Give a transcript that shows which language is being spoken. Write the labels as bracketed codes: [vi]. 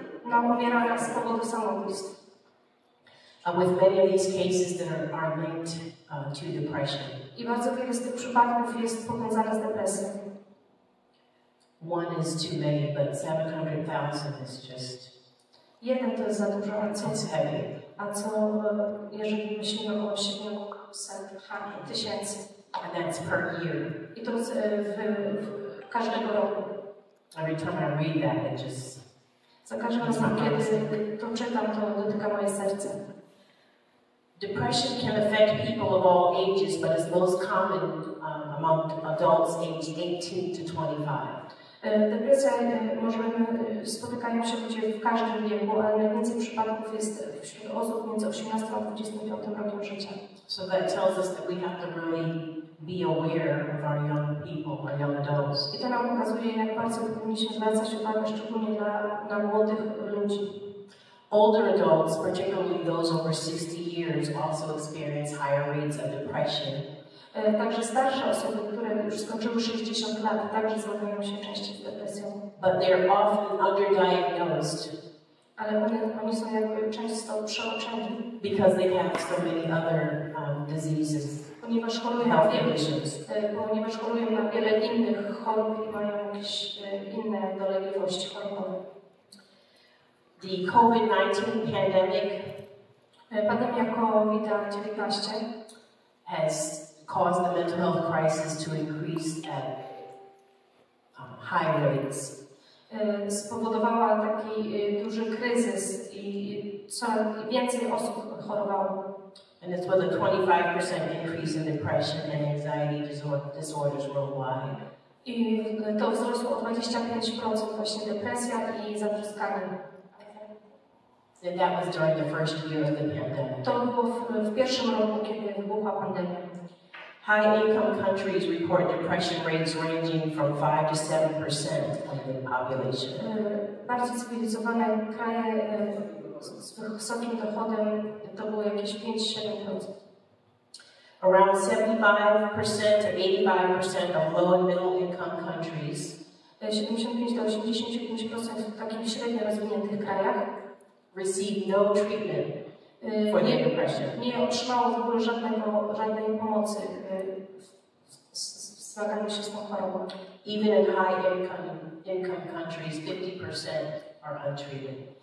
[pl] Na umiera z powodu samobójstw. [en] With many of these cases that are linked to depression. [pl] I bardzo wiele z tych przypadków jest powiązane z depresją. [en] One is too many, but 700,000 is just... [pl] Jeden to jest za dużo, a co? [en] It's heavy. [pl] A co, jeżeli myślimy o 700,000? [en] And that's per year. [pl] I to jest w każdego roku. [en] Every time I read that, it just... [pl] Za każdym razem, kiedy to czytam, to dotyka moje serce. [en] Depression can affect people of all ages, but is most common among adults aged 18 to 25. [pl] Depresja możemy spotykają się ludzie w każdym wieku, ale najwięcej przypadków jest wśród osób między 18 a 25 rokiem życia. [en] So that tells us that we have to really be aware of our young people, our young adults. [pl] I to nam pokazuje, jak bardzo powinniśmy zwracać uwagę szczególnie na młodych ludzi. [en] Older adults, particularly those over 60 years, also experience higher rates of depression. [pl] Także starsze osoby, które już skończyły 60 lat, także zmagają się częściej z depresją. [en] But they are often underdiagnosed. [pl] Ale oni są jakby często przeoczeni. [en] Because they have so many other diseases. [pl] Ponieważ chorują na wiele innych chorób i mają jakieś inne dolegliwości chorobowe. [en] The COVID-19 pandemic. [pl] Pandemia COVID-19 [en] has caused the mental health crisis to increase at high rates. [pl] Spowodowała taki duży kryzys i coraz więcej osób chorowało. [en] And it's with a 25% increase in depression and anxiety disorders worldwide. [pl] I to wzrosło o 25% właśnie depresja i zatruskanie. [en] And that was during the first year of the pandemic. [pl] To było w pierwszym roku, kiedy wybuchła pandemia. [en] High-income countries report depression rates ranging from 5 to 7% of the population. [pl] Bardzo cywilizowane kraje z wysokim dochodem to było jakieś 5-7%. [en] Around 75% to 85% of low and middle-income countries. [pl] 75-85% w takich średnio rozwiniętych krajach. [en] Receive no treatment. For the depression. [pl] Nie otrzymało w ogóle żadnej pomocy w zmaganiu się z tą chorobą. [en] Even in high income countries, 50% are untreated.